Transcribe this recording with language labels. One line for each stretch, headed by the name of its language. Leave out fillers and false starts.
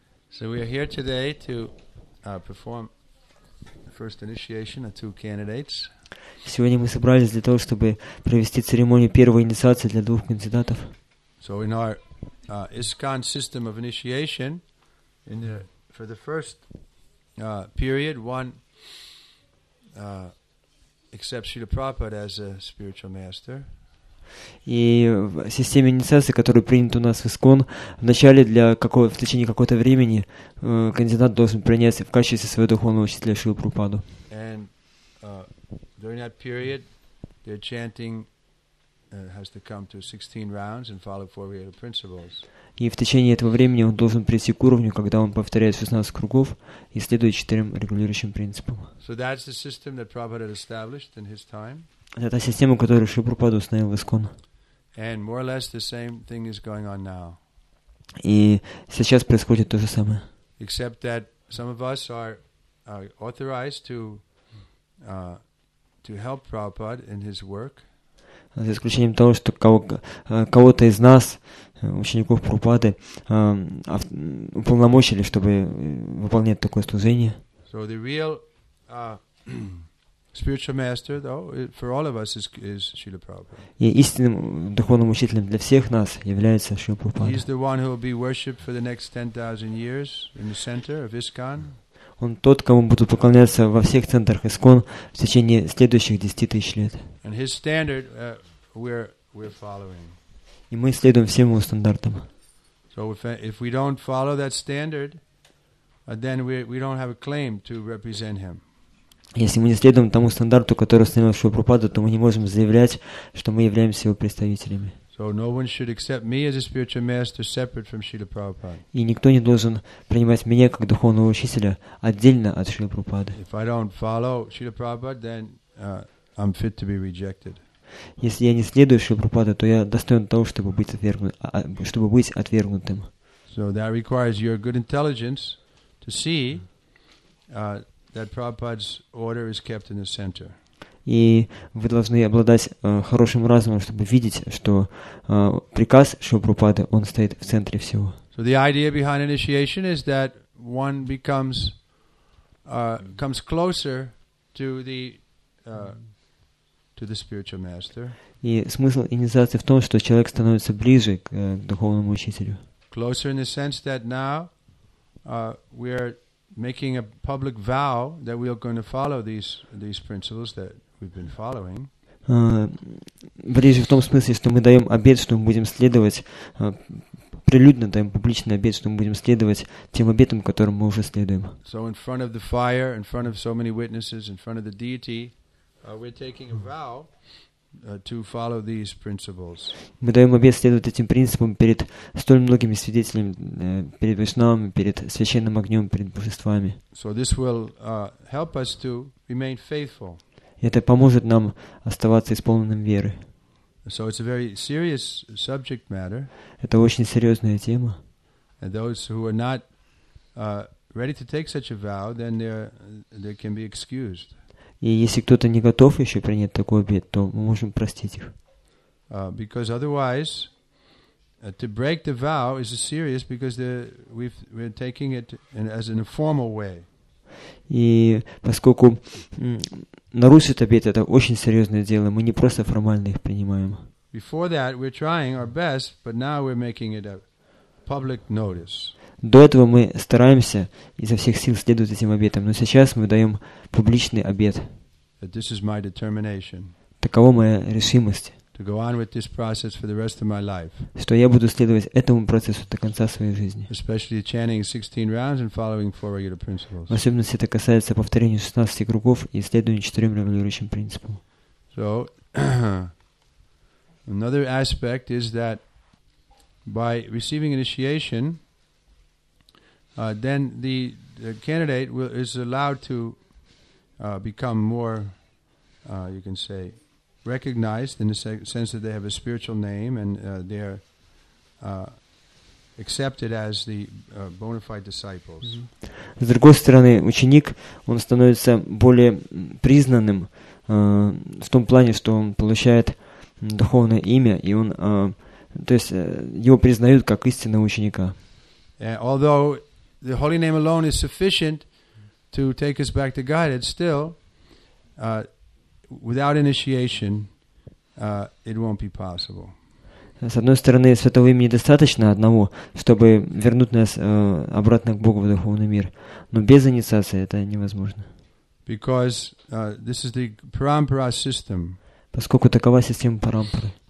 English: So we are here today to perform the first initiation of two candidates.
Russian: Сегодня мы собрались для того, чтобы провести церемонию первой инициации для двух кандидатов.
English: So in our ISKCON system of initiation, for the first period, one accepts Srila Prabhupada as a spiritual master.
Russian: И в системе инициации, которая принята у нас в ИСККОН, в течение какого-то времени кандидат должен приняться в качестве своего духовного учителя Шрилу Прабхупаду.
English: And during that period, their chanting has to come to 16 rounds and follow four Vedic principles.
Russian: И в течение этого времени он должен прийти к уровню, когда он повторяет 16 кругов и следует четырем регулирующим принципам.
English: So that's the system that Prabhupada established in his time.
Russian: Это система, которую Шрила Прабхупада установил в ИСККОН.
English: And more or less the same thing is going on now.
Russian: И сейчас происходит то же самое.
English: Except that some of us are authorized to help Prabhupada in his work.
Russian: За исключением того, что кого-то из нас, учеников Прабхупады, уполномочили, чтобы выполнять такое служение.
English: So the real spiritual master, though, for all of us, is Srila Prabhupada.
Russian: И истинным духовным учителем для всех нас является Шрила Прабхупада.
English: He is the one who will be worshipped for the next 10,000 years in the center of ISKCON.
Russian: Он тот, кому будут поклоняться во всех центрах ИСККОН в течение следующих 10 тысяч лет.
English: And his standard, we're following.
Russian: И мы следуем всем его стандартам.
English: So if we don't follow that standard, then we don't have a claim to represent him.
Russian: Если мы не следуем тому стандарту, который установил Шрила Прабхупада, то мы не можем заявлять, что мы являемся его представителями.
English: So no one should accept me as a spiritual master separate from Srila Prabhupada.
Russian: И никто не должен принимать меня как духовного учителя отдельно от Шрилы Прабхупады.
English: If I don't follow Srila Prabhupada, then I'm fit to be rejected.
Russian: Если я не следую Шриле Прабхупаде, то я достоин того, чтобы быть отвергнутым.
English: So that requires your good intelligence to see that Prabhupada's order is kept in the center.
Russian: И вы должны обладать хорошим разумом, чтобы видеть, что приказ Шрилы Прабхупады, он стоит в центре всего.
English: So the idea behind initiation is that one becomes comes closer to the to the spiritual master.
Russian: И смысл инициации в том, что человек становится ближе к духовному учителю.
English: Closer in the sense that now we are making a public vow that we are going to follow these principles that we've been following.
Russian: Ближе в том смысле, что мы даем обет, что мы будем следовать, прилюдно даем публичный обет, что мы будем следовать тем обетам, которым мы уже следуем.
English: So in front of the fire, in front of so many witnesses, in front of the deity, we're taking a vow to follow these principles.
Russian: Мы даем обет следовать этим принципам перед столь многими свидетелями, перед Вайшнавами, перед священным огнем, перед божествами.
English: So this will help us to remain faithful.
Russian: Это поможет нам оставаться исполненным веры.
English: So it's a very serious subject matter.
Russian: Это очень серьезная тема.
English: And those who are not ready to take such a vow, then they can be excused.
Russian: И если кто-то не готов еще принять такой обет, то мы можем простить их.
English: Because otherwise, to break the vow is serious because we're taking it as an informal way.
Russian: И поскольку нарушить обет — это очень серьезное дело, мы не просто формально их принимаем.
English: Before that, we're trying our best, but now we're making it a public notice.
Russian: До этого мы стараемся изо всех сил следовать этим обетам, но сейчас мы даем публичный обет.
English: That this is my determination.
Russian: Таково моя решимость.
English: to go on with this process for the rest of my life.
Russian: Что я буду следовать этому процессу до конца своей жизни.
English: Especially chanting 16 rounds and following four regular principles.
Russian: В особенности это касается повторения 16 кругов и следования четырем регулирующим принципам.
English: So another aspect is that by receiving initiation, then the candidate is allowed to become more, you can say, recognized in the sense that they have a spiritual name and they're accepted as the bona fide disciples.
Russian: С другой стороны, ученик, он становится более признанным в том плане, что он получает духовное имя, и он, то есть, его признают как истинного ученика.
English: Although the holy name alone is sufficient to take us back to God, it's still without initiation, it won't be possible.
Russian: С одной стороны, святого имени достаточно одного, чтобы вернуть нас обратно к Богу в духовный мир. Но без инициации это невозможно.
English: Because this is the parampara system.
Russian: Поскольку такова система парампары.